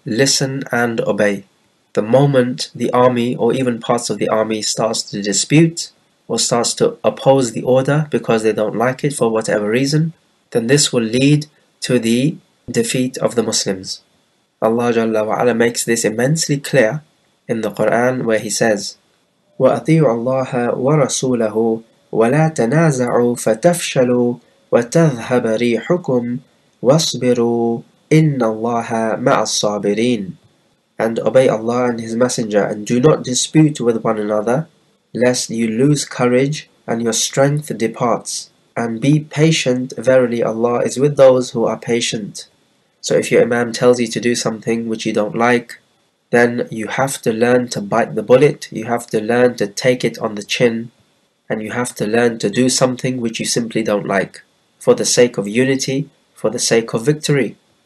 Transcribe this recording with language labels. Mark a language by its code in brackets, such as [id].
[en] Listen and obey. The moment the army or even parts of the army starts to dispute or starts to oppose the order because they don't like it for whatever reason, then this will lead to the defeat of the Muslims. Allah Jalla wa Ala makes this immensely clear in the Quran, where he says, [ar] وأطيعوا الله ورسوله ولا تنازعوا فتفشلوا وتذهب ريحكم واصبروا إن الله مع الصابرين. [en] And obey Allah and His Messenger, and do not dispute with one another, lest you lose courage and your strength departs. And be patient, verily Allah is with those who are patient. So if your imam tells you to do something which you don't like, then you have to learn to bite the bullet, you have to learn to take it on the chin, and you have to learn to do something which you simply don't like, for the sake of unity, for the sake of victory.